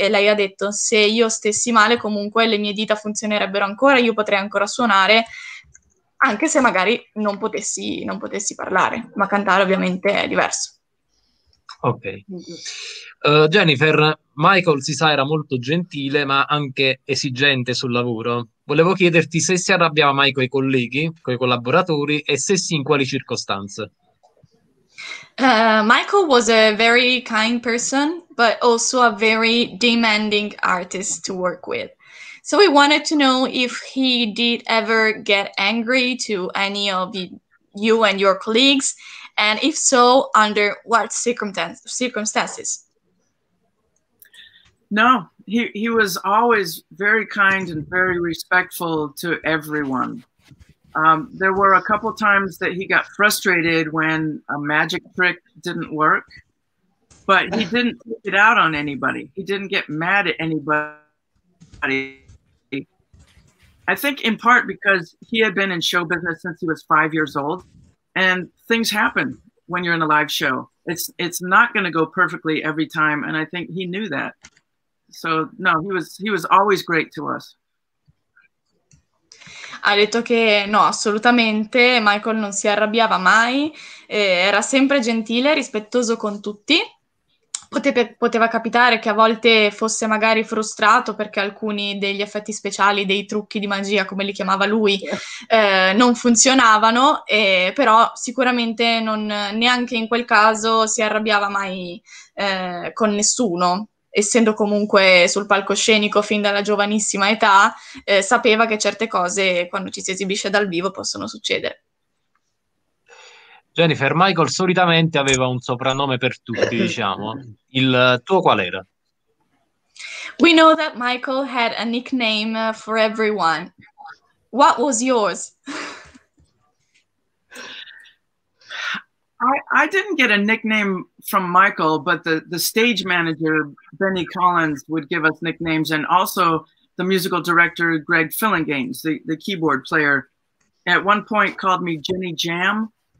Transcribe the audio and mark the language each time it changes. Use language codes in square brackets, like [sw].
[it] E lei ha detto: se io stessi male, comunque le mie dita funzionerebbero ancora, io potrei ancora suonare, anche se magari non potessi parlare, ma cantare ovviamente è diverso. Ok. Jennifer, Michael si sa era molto gentile, ma anche esigente sul lavoro. Volevo chiederti se si arrabbiava mai coi colleghi, coi collaboratori, e se sì, in quali circostanze. [en] Michael was a very kind person, but also a very demanding artist to work with. So we wanted to know if he did ever get angry to any of you and your colleagues. And if so, under what circumstances? No, he was always very kind and very respectful to everyone. There were a couple times that he got frustrated when a magic trick didn't work, but he didn't take it out on anybody. He didn't get mad at anybody. I think in part because he had been in show business since he was 5 years old, and things happen when you're in a live show. It's not going to go perfectly every time, and I think he knew that. So no, he was always great to us. [it] Ha detto che no, assolutamente, Michael non si arrabbiava mai, era sempre gentile, rispettoso con tutti. Poteva capitare che a volte fosse magari frustrato perché alcuni degli effetti speciali, dei trucchi di magia, come li chiamava lui, non funzionavano, però sicuramente non, neanche in quel caso si arrabbiava mai con nessuno. Essendo comunque sul palcoscenico fin dalla giovanissima età, sapeva che certe cose, quando ci si esibisce dal vivo, possono succedere. Jennifer, Michael solitamente aveva un soprannome per tutti, diciamo. Il tuo qual era? [en] We know that Michael had a nickname for everyone. What was yours? I didn't get a nickname from Michael, but the stage manager, Benny Collins, would give us nicknames, and also the musical director, Greg Fillinganes, the keyboard player, at one point called me Jenny Jam.